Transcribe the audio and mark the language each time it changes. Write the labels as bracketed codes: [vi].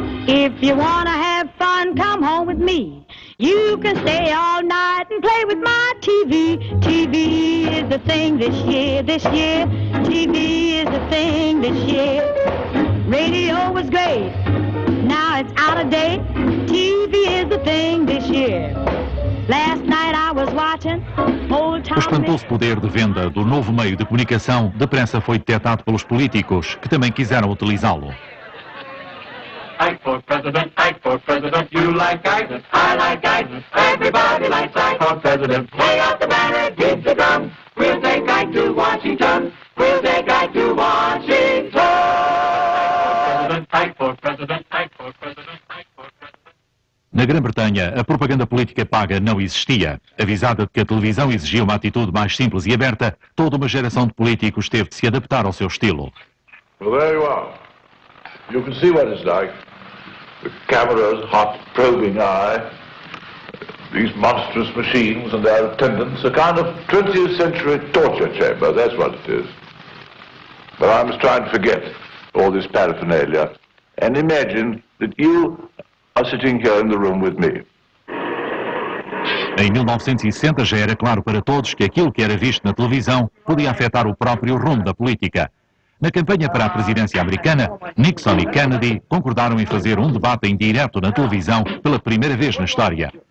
[en] If you wanna have fun, come home with me. You can stay all night and play with my TV, TV, is the thing this year, TV is the thing this year. Radio was great, now it's out of date, TV is the thing this year. Last night I was watching old time. [pt] O espantoso poder de venda do novo meio de comunicação depressa foi detectado pelos políticos, que também quiseram utilizá-lo. [en] Ike for president, you like guidance, I like guidance, everybody likes Ike for president. Lay out the banner, beat the drum, we'll take Ike to Washington, we'll take Ike to Washington. [pt] Na Grã-Bretanha, a propaganda política paga não existia. Avisada de que a televisão exigia uma atitude mais simples e aberta, toda uma geração de políticos teve de se adaptar ao seu estilo. [en] Well, there you are. You can see what it's like. The cameras, hot, probing eye. These monstrous machines and their attendants, a kind of 20th century torture chamber, that's what it is. But I must try and forget all this paraphernalia and imagine that you are sitting here in the room with me. [pt] Em 1960 já era claro para todos que aquilo que era visto na televisão podia afetar o próprio rumo da política. Na campanha para a presidência americana, Nixon e Kennedy concordaram em fazer um debate em direto na televisão pela primeira vez na história.